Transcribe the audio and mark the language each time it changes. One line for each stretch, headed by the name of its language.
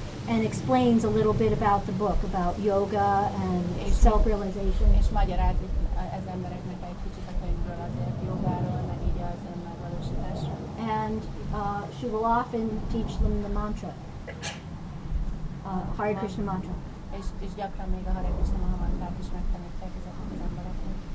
English: And explains a little bit about the book, about yoga and self-realization.
Hungarian: És magyarázik az embereknek egy kicsit a könyvről, azért jogáról, meg így az önmegvalósításról.
English: And she will often teach them the mantra, Hare Krishna mantra.
Hungarian: És gyakran még a Hare Krishna mantrát is megtanítják ezeknek az embereknek.